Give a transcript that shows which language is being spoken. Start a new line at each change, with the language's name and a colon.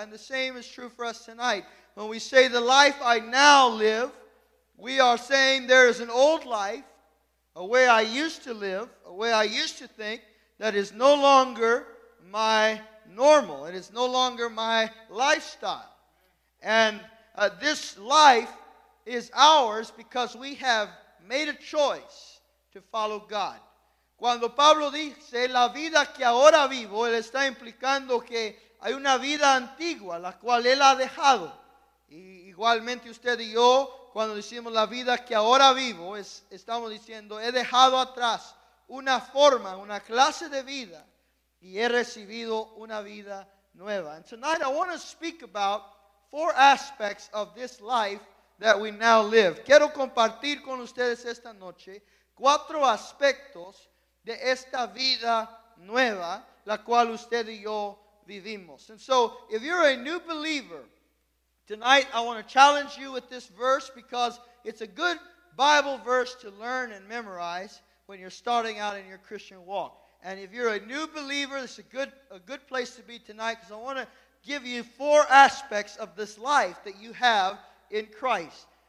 English: And the same is true for us tonight. When we say the life I now live, we are saying there is an old life, a way I used to live, a way I used to think, that is no longer my normal. It is no longer my lifestyle. And this life is ours because we have made a choice to follow God.
Spanish: Cuando Pablo dice, la vida que ahora vivo, él está implicando que hay una vida antigua, la cual él ha dejado. Y igualmente usted y yo, cuando decimos la vida que ahora vivo, estamos diciendo, he dejado atrás una forma, una clase de vida, y he recibido una vida nueva.
English: And tonight I want to speak about four aspects of this life that we now live.
Spanish: Quiero compartir con ustedes esta noche cuatro aspectos de esta vida nueva, la cual usted y yo vivimos.
English: And so, if you're a new believer, tonight I want to challenge you with this verse because it's a good Bible verse to learn and memorize when you're starting out in your Christian walk. And if you're a new believer, this is a good place to be tonight because I want to give you four aspects of this life that you have in Christ.